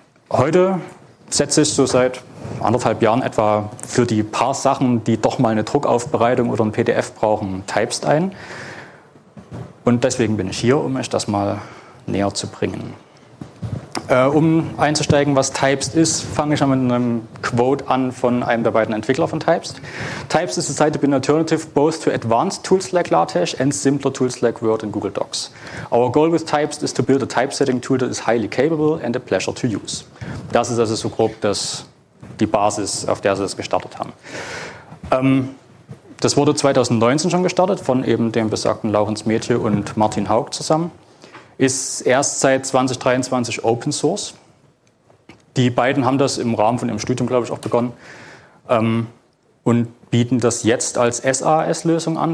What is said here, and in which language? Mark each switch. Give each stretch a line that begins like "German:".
German: Heute setze ich so seit anderthalb Jahren etwa für die paar Sachen, die doch mal eine Druckaufbereitung oder ein PDF brauchen, Typest ein. Und deswegen bin ich hier, um euch das mal näher zu bringen. Um einzusteigen, was Typest ist, fange ich mal mit einem Quote an von einem der beiden Entwickler von Typest.
English: Typest is a site to be an alternative both to advanced tools like LaTeX and simpler tools like Word and Google Docs. Our goal with Typest is to build a typesetting tool that is highly capable and a pleasure to use.
German: Das ist also so grob die Basis, auf der sie das gestartet haben. Das wurde 2019 schon gestartet von eben dem besagten Laurenz Mädchen und Martin Haug zusammen. Ist erst seit 2023 Open Source. Die beiden haben das im Rahmen von ihrem Studium, glaube ich, auch begonnen und bieten das jetzt als SAS-Lösung an.